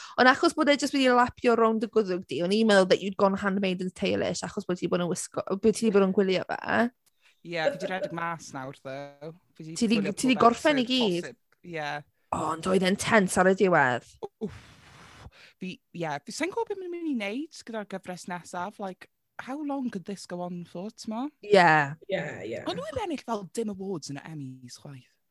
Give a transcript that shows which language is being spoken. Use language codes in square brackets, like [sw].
[cy] Ond achos bod e just wedi lapio rownd y gwddwg di, o'n i'n meddwl [en] that you'd gone handmade and tailish [cy] achos bod ti bod yn wisgo, bod ti bod yn gwylio fe. Yeah, fi di redeg mas nawr, though. Ti di gorffen i gyd? [en] Yeah. [cy] Oh, ond oedd e'n tense ar y diwedd. Oof. Yeah, fi sy'n gobeithio beth mae'n mynd i wneud gyda'r gyfres nesaf. [en] Like, how long could this go on for, t'ma? Yeah. [cy] Ond oedd ennill fel dim awards yn y Emmys, chwaith?